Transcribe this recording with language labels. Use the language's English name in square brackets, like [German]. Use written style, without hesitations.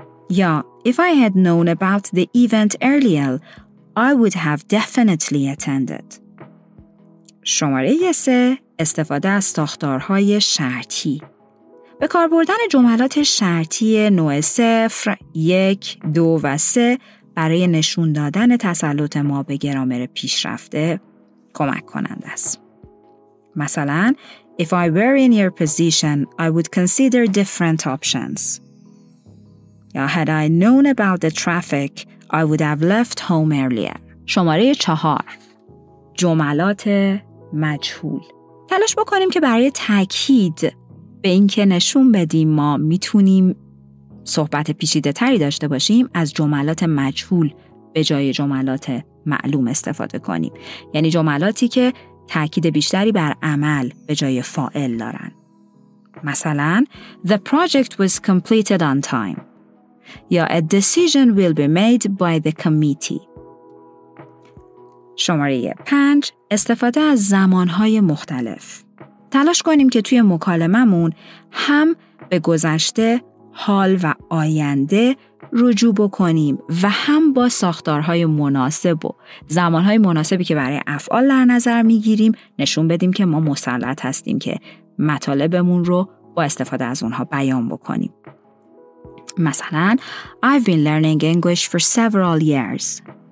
[English] یا If I had known about the event earlier, I would have definitely attended. [Persian] شماره 3، استفاده از ساختارهای شرطی. به کار بردن جملات شرطی نوع 0، 1، 2 و 3 برای نشون دادن تسلط ما به گرامر پیشرفته کمک کننده است. [English] مثلا If I were in your position, I would consider different options. یا Had I known about the traffic, I would have left home earlier. [Persian] شماره 4، جملات مجهول. تلاش بکنیم که برای تأکید به این که نشون بدیم ما میتونیم صحبت پیچیده تری داشته باشیم از جملات مجهول به جای جملات معلوم استفاده کنیم. یعنی جملاتی که تأکید بیشتری بر عمل به جای فاعل دارن. [English] مثلا The project was completed on time. یا A decision will be made by the committee. [Persian] شماره 5، استفاده از زمانهای مختلف. تلاش کنیم که توی مکالممون هم به گذشته، حال و آینده رجوع بکنیم و هم با ساختارهای مناسب و زمانهای مناسبی که برای افعال در نظر میگیریم نشون بدیم که ما مسلط هستیم که مطالبمون رو با استفاده از اونها بیان بکنیم. [English] مثلا I've been learning English for several years.